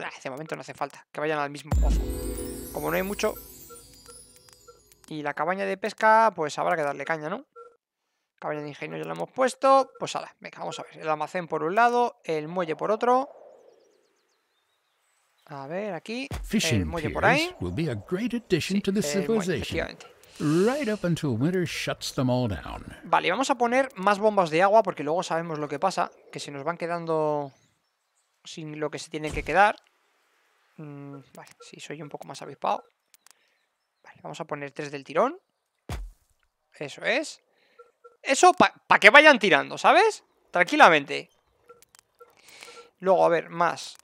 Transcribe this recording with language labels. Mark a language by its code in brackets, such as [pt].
[es] De momento no hace falta, que vayan al mismo pozo. Como no hay mucho... Y la cabaña de pesca, pues habrá que darle caña, ¿no? Cabaña de ingenio ya la hemos puesto. Pues ala, venga, vamos a ver. El almacén por un lado, el muelle por otro. A ver, aquí. El muelle por ahí. [en] Will be a great addition to the civilization. Right up until winter shuts them all down. [es] Vale, vamos a poner más bombas de agua porque luego sabemos lo que pasa. Que se nos van quedando sin lo que se tiene que quedar. Vale, sí, soy un poco más avispado. Vale, vamos a poner tres del tirón. Eso es. Eso para que vayan tirando, ¿sabes? Tranquilamente. Luego, a ver, más.